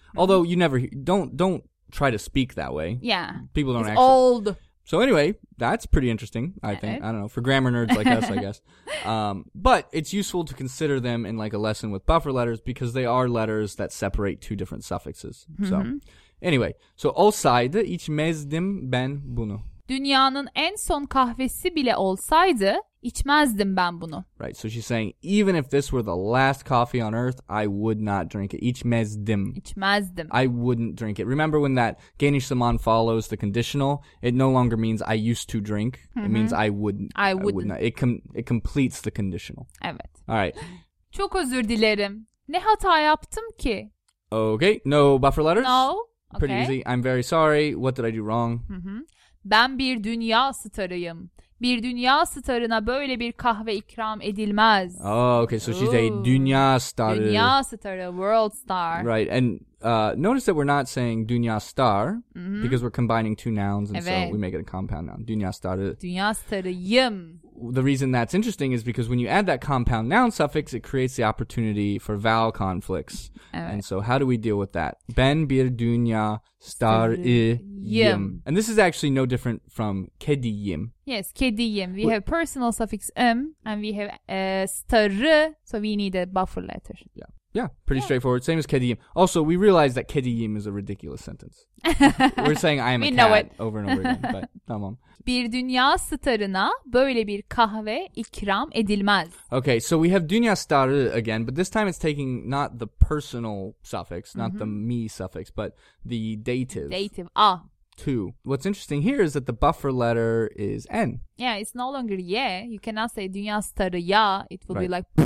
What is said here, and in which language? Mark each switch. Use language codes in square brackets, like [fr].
[en] Although you never don't try to speak that way. Yeah. People don't it's actually. It's old. So anyway, that's pretty interesting, I think. I don't know. For grammar nerds like us, I guess. But it's useful to consider them in like a lesson with buffer letters because they are letters that separate two different suffixes. So anyway, so [tr] olsaydı içmezdim ben bunu. Dünyanın en son kahvesi bile olsaydı içmezdim ben bunu. [en] Right, so she's saying, even if this were the last coffee on earth, I would not drink it. [tr] İçmezdim. İçmezdim. [en] I wouldn't drink it. Remember when that Geniş Zaman follows the conditional? It no longer means I used to drink. It means I wouldn't. I wouldn't. It completes the conditional. [tr] Evet. [en] All right. [tr] Çok özür dilerim. Ne hata yaptım ki? [en] Okay, no buffer letters? No. Pretty okay. easy. I'm very sorry. What did I do wrong? [tr] Mm-hmm. Ben bir dünya starıyım. Bir dünya starına böyle bir kahve ikram edilmez. [en] Oh, okay. So she's a dünya starı. [tr] Dünya starı, [en] world star. Right. And notice that we're not saying dünya star because we're combining two nouns and so we make it a compound noun. [tr] Dünya starı. Dünya starıyım. [en] The reason that's interesting is because when you add that compound noun suffix, it creates the opportunity for vowel conflicts. [tr] Evet. [en] And so how do we deal with that? [tr] Ben bir dünya starıyım. [en] And this is actually no different from kediyim. Yes, kediyim. We have personal suffix im and we have starı, so we need a buffer letter. Yeah. Yeah, pretty straightforward. Same as kediyim. Also, we realize that kediyim is a ridiculous sentence. We're saying I am a cat over and over again, but tamam. [tr] Bir dünya starına böyle bir kahve ikram edilmez. [en] Okay, so we have dünya starı again, but this time it's taking not the personal suffix, not the me suffix, but the dative. Dative, a. To. What's interesting here is that the buffer letter is n. Yeah, it's no longer ye. You cannot say dünya starı ya. It will be like...